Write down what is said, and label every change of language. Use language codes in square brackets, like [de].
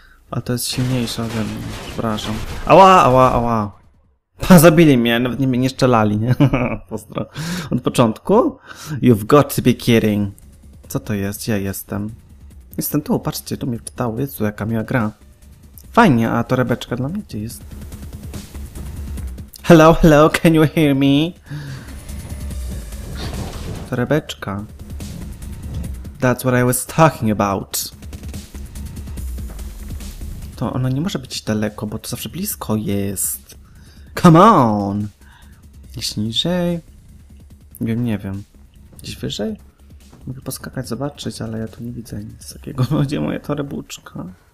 [pl] A to jest silniejsze ode mnie, przepraszam. Ała, ała, ała. Pa, zabili mnie, nawet mnie nie szczelali, nie? Postro. Od początku? [en] You've got to be kidding. [pl] Co to jest? Ja jestem. Jestem tu, patrzcie, tu mnie pytało. Jezu, jaka miła gra. Fajnie, a torebeczka dla mnie gdzie jest? [en] Hello, hello, can you hear me? Torebeczka. That's what I was talking about. [pl] To ona nie może być daleko, bo to zawsze blisko jest. [en] Come on! [pl] Gdzieś niżej? Nie wiem. Gdzieś wyżej? Mogę poskakać, zobaczyć, ale ja tu nie widzę nic takiego. Gdzie moja torebuczka?